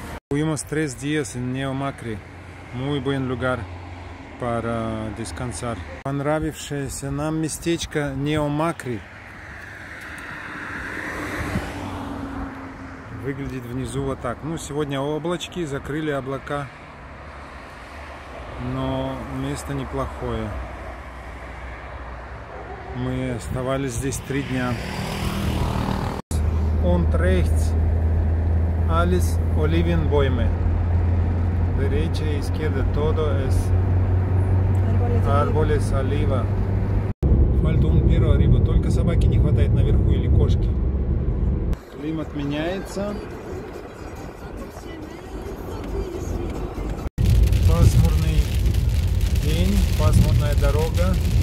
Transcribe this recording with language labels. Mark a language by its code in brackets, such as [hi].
[es] Tuvimos tres días en Neo Macri, muy buen lugar para descansar. [ru] Понравившееся нам местечко Neo Macri. Выглядит внизу вот так. Ну, сегодня облачки, закрыли облака, но место неплохое. Мы оставались здесь три дня. [de] Und rechts alles Olivenbäume. [es] Derecha и izquierda todo es árboles oliva. Falta un perro arriba. [ru] Только собаки не хватает наверху или кошки. Климат меняется. Пасмурный день, пасмурная дорога.